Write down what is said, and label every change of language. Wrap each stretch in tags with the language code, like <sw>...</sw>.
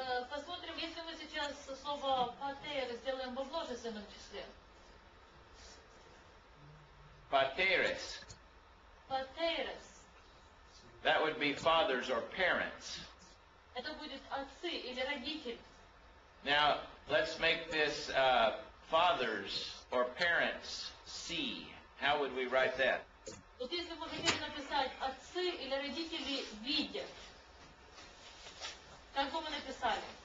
<ru>Посмотрим, если мы сейчас слово pater сделаем во множественном числе.</ru> <el>Pateres. Pateres.</el> <en>That would be fathers or parents.</en> <ru>Это будет отцы или родители.</ru> <en>Now, let's make this fathers or parents C. How would we write that?</en> <ru>Вот если мы хотели написать отцы или родители виде, как бы мы написали?</ru>